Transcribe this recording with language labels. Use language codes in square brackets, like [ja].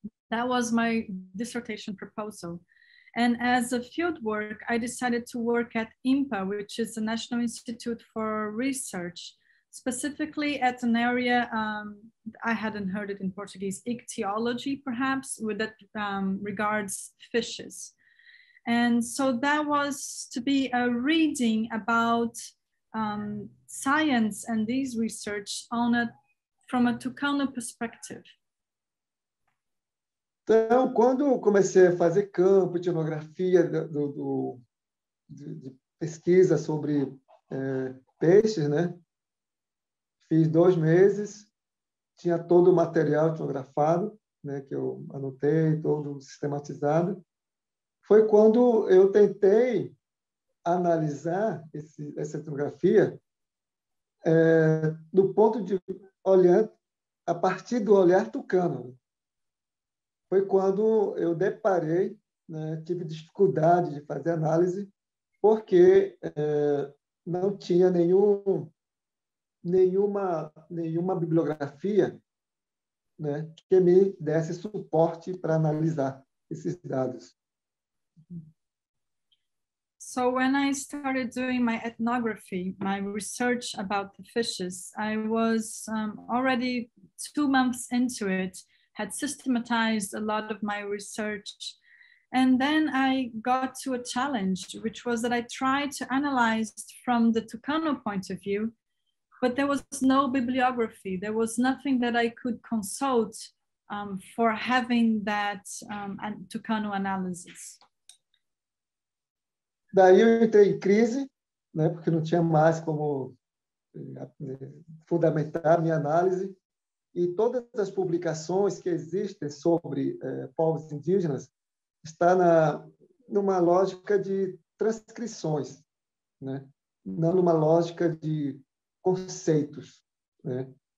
[en] That was my dissertation proposal. And as a field work, I decided to work at IMPA, which is the National Institute for Research, specifically at an area, I hadn't heard it in Portuguese, ichthyology perhaps, with that regards fishes. And so that was to be a reading about science and these research from a Tucano perspective. [pt] Então, quando comecei a fazer campo, etnografia de pesquisa sobre peixes, né? Fiz 2 meses, tinha todo o material etnografado, né? Que eu anotei, todo sistematizado. Foi quando eu tentei analisar essa etnografia do ponto de olhar, a partir do olhar tucano. Foi quando eu deparei, né, tive dificuldade de fazer análise, porque não tinha nenhuma bibliografia, né, que me desse suporte para analisar esses dados. [en] So when I started doing my ethnography, my research about the fishes, I was already 2 months into it, had systematized a lot of my research. And then I got to a challenge, which was that I tried to analyze from the Tucano point of view, but there was no bibliography. There was nothing that I could consult for having that Tucano analysis. [pt] Daí eu entrei em crise, né, porque não tinha mais como fundamentar minha análise. E todas as publicações que existem sobre povos indígenas estão numa lógica de transcrições, né, não numa lógica de conceitos. Né.